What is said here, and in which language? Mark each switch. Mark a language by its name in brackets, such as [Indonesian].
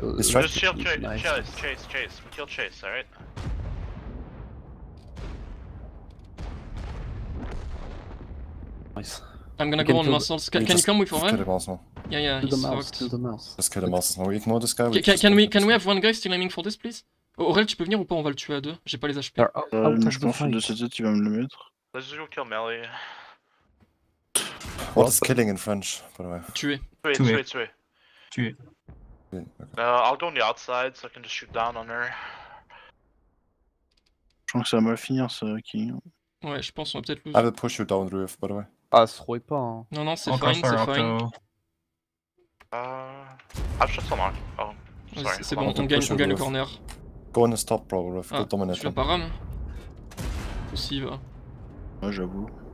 [English] just kill Chase. We kill Chase, alright? Nice. I'm gonna go on muscles. Can you come with Oren? Yeah, he's fucked. Let's kill the muscles. Ignore this guy. Can we have one guy still aiming for this, please? [French] Aurel, tu peux venir ou pas? On va le tuer à deux. J'ai pas les HP. Je pense que de ces deux, tu vas me le mettre. [English] Let's just go kill Melee. What is killing in French, by the way? [French] Tuer. [English] I'll go on the outside so I can just shoot down on her. [French] Je pense que ça va mal finir ce king. Ouais, je pense qu'on va peut-être [English] lose. I will push you down the roof, by the way. [French] Ah, se rouille pas, hein. Non, c'est fine. [English] I've shot some arc. Oh, sorry. [French] C'est bon, on gagne le corner. [English] Go on the stop, bro, roof. Go dominate. [French] Tu l'as pas ram. Aussi, va. Ouais, j'avoue.